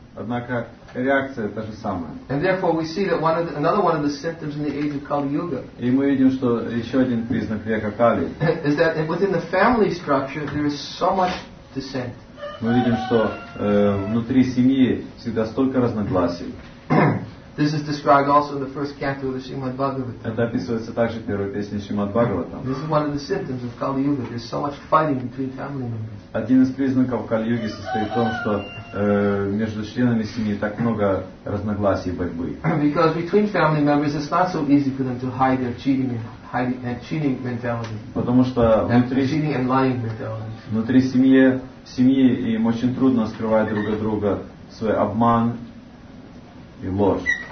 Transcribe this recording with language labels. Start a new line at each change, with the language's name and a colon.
Russian: Однако реакция та же самая.
English: And therefore we see that another one of the symptoms in the age of Kali Yuga.
Russian: И мы видим, что еще один признак века Кали.
English: Is that within the family structure there is so much dissent.
Russian: Мы видим, что внутри семьи всегда столько разногласий.
English: This is described also in the first canto of the Srimad Bhagavatam.
Russian: Это описывается также в первой песне Шримад Бхагаватам.
English: This is one of the symptoms of Kali Yuga. There's so much fighting between family members.
Russian: Один из признаков Кали-юги состоит в том, что между членами семьи так много разногласий и борьбы.
English: Because between family members it's not so easy for them to hide their cheating mentality.
Russian: Потому что
English: cheating and lying mentality.
Russian: Внутри семьи им очень трудно скрывать друг от друга свой обман и ложь.